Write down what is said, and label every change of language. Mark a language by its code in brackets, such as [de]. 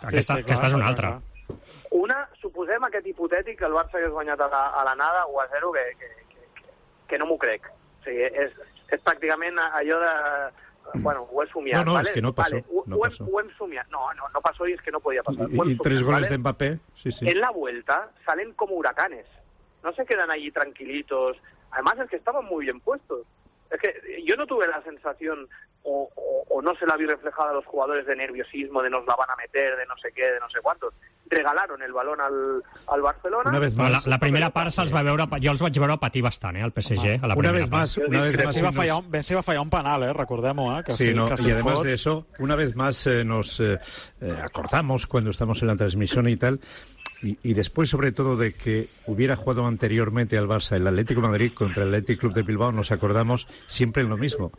[ca] Aquesta és una altra. Suposem aquest hipotètic que el Barça hagués guanyat a l'anada 1-0, que no m'ho crec. O sigui, és pràcticament allò de bueno, ho he somiat. No, no, [es] ¿vale? [ca] És que no passó. Vale. Ho hem somiat. No passó i és que no podia passar. I tres goles, ¿vale?, d'Mbappé, sí, sí. [es] En la vuelta salen com huracanes. No se queden allí tranquilitos. Además, es que estaban muy bien puestos. Es que yo no tuve la sensación, o no se la vi reflejada a los jugadores, de nerviosismo, de nos la van a meter, de no sé qué, de no sé cuántos. Regalaron el balón al Barcelona. Una vez más. [ca] La primera part se'ls va veure, jo els vaig veure patir bastant, al PSG. A la [es] una vez más. [ca] Messi va fallar un penal, recordem-ho. [es] Y además de eso, una vez más nos acordamos cuando estamos en la transmisión y tal, y después sobre todo de que hubiera jugado anteriormente al Barça el Atlético de Madrid contra el Athletic Club de Bilbao, nos acordamos siempre en lo mismo.